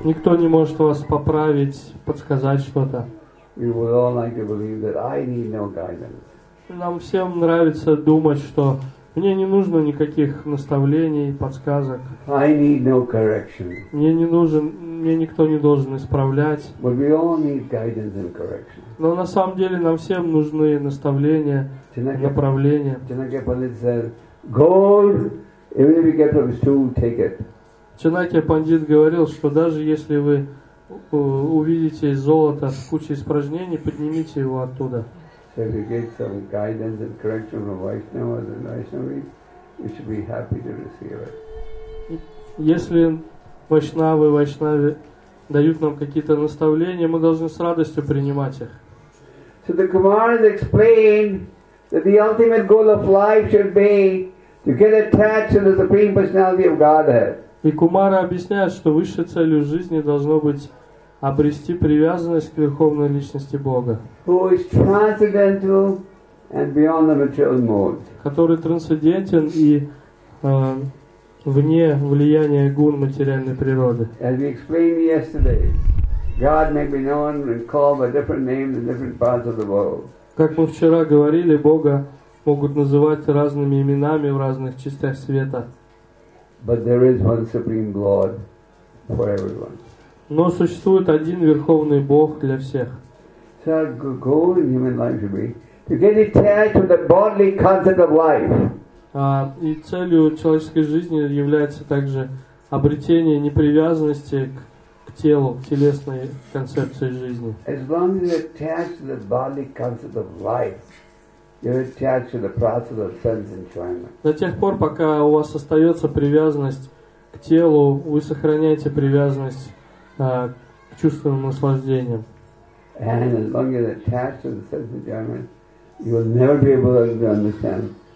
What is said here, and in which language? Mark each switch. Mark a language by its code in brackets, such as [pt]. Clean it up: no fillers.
[ru] Никто не может вас поправить, подсказать что-то. [en] We would all like to believe that I need no guidance. [ru] Нам всем нравится думать, что мне не нужно никаких наставлений, подсказок. [en] I need no correction. [ru] Мне не нужен, мне никто не должен исправлять. [en] But we all need guidance and correction. [ru] Но на самом деле нам всем нужны наставления, направления. [en] Chanakya Pandit said, gold, even if you get from stool, take it. [ru] Chanakya Pandit говорил, что даже если вы увидите золото в куче испражнений, поднимите его оттуда. [en] If you get some guidance and correction from Vaishnavas and Vaishnavis, you should be happy to receive it. [ru] Если Вайшнавы и Вайшнави дают нам какие-то наставления, мы должны с радостью принимать их. [en] So the Kumaras explain that the ultimate goal of life should be to get attached to the Supreme Personality of Godhead. [ru] И Кумары объясняют, что высшей целью жизни должно быть обрести привязанность к Верховной Личности Бога, [en] who is transcendental and beyond the material mode. [ru] Который трансцендентен и вне влияния гун материальной природы. [en] As we explained yesterday, God may be known and called by different names in different parts of the world. [ru] Как мы вчера говорили, Бога могут называть разными именами в разных частях света. [en] But there is one supreme Lord for everyone. [ru] Но существует один верховный Бог для всех. [en] So our goal in human life should be to get attached to the bodily concept of life. [ru] И целью человеческой жизни является также обретение непривязанности к телу, к телесной концепции жизни. [en] As long as you're attached to the bodily concept of life, you're attached to the process of sense enjoyment. [ru] До тех пор, пока у вас остается привязанность к телу, вы сохраняете привязанность к чувственным наслаждениям. [en] And as long as you're attached to the sense enjoyment, you will never be able to understand.